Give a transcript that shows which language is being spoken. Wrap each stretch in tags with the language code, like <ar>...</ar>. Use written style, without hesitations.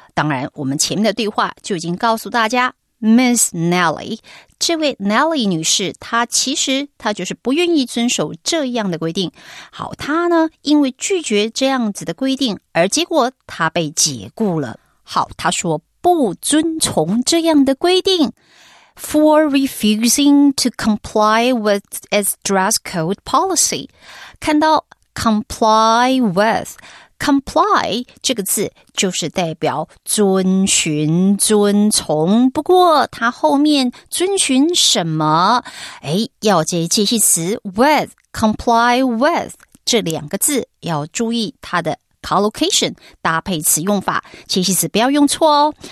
<zh>当然我们前面的对话就已经告诉大家 Miss Nelly， 这位 Nelly 女士，她就是不愿意遵守这样的规定。好，她呢因为拒绝这样子的规定而结果她被解雇了。好，她说不遵从这样的规定。</zh> <en>For refusing to comply with its dress code policy.</en> <zh>看到 comply with, comply 这个字就是代表遵循、遵从，不过它后面遵循什么？哎，要接介系词 with, comply with 这两个字要注意它的collocation 搭配词用法，介系词不要用错哦。</zh>